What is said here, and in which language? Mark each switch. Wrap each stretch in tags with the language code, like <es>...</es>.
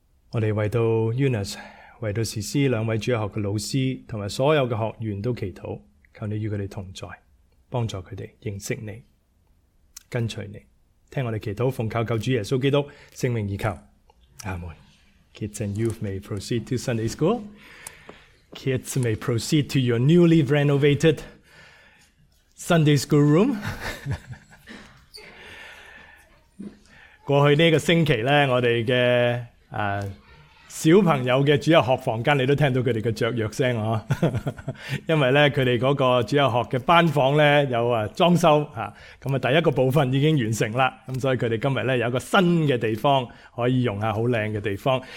<zh>我们为到 Eunice，为到士师两位主学的老师和所有的学员都祈祷，求你与他们同在，帮助他们认识你，跟随你，听我们祈祷，奉靠救主耶稣基督圣名以求，阿们。</zh> <en>Kids and youth may proceed to Sunday school. Kids may proceed to your newly renovated Sunday school room.</en> <zh>过去这个星期呢，我们的小朋友的主日学房间，你都听到他们的着药声，因为呢他们那个主日学的班房呢有装修，第一个部分已经完成了，所以他们今天呢有一个新的地方可以用，很漂亮的地方。</zh>